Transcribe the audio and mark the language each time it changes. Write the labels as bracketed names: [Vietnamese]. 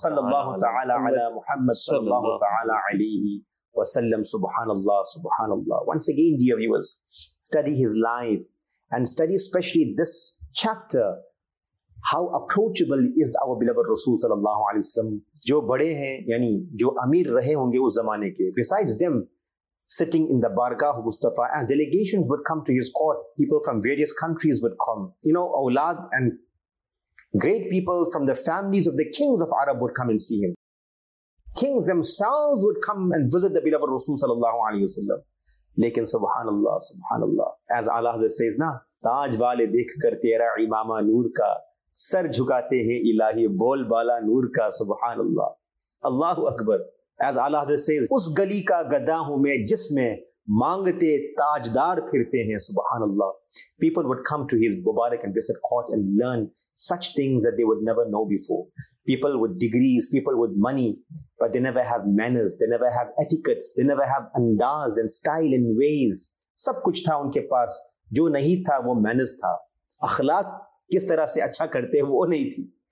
[Urdu] صلی اللہ تعالی علی محمد صلی اللہ تعالی علیہ وسلم سبحان اللہ سبحان اللہ. [English] Once again, dear viewers, study his life and study especially this chapter, how approachable is our beloved Rasul sallallahu alaihi wasallam. [Urdu] Jo bade hain, yani jo ameer rahe honge us zamane ke, [English] besides them sitting in the bargah of Mustafa, and delegations would come to his court, people from various countries would come, you know, aulad and great people from the families of the kings of Arab would come and see him. Kings themselves would come and visit the beloved Rasul sallallahu alaihi wasallam. [Urdu] Lekin subhanallah, subhanallah, [English] as Allah Hazrat says na, [Urdu] تاج والے دیکھ کر تیرا امامہ نور کا سر جھکاتے ہیں الہی بول بالا نور کا سبحان اللہ اللہ اکبر. [English] As Allah has said, [Urdu] اس گلی کا گدا ہوں میں جس میں مانگتے تاجدار پھرتے ہیں سبحان اللہ. [English] People would come to his Mubarak and blessed court and learn such things that they would never know before. People with degrees, people with money, but they never have manners, they never have etiquettes, they never have andaz and style and ways. [Urdu] سب کچھ تھا ان کے پاس, جو نہیں تھا وہ means تھا, اخلاق کس طرح سے اچھا کرتے ہیں وہ نہیں تھی.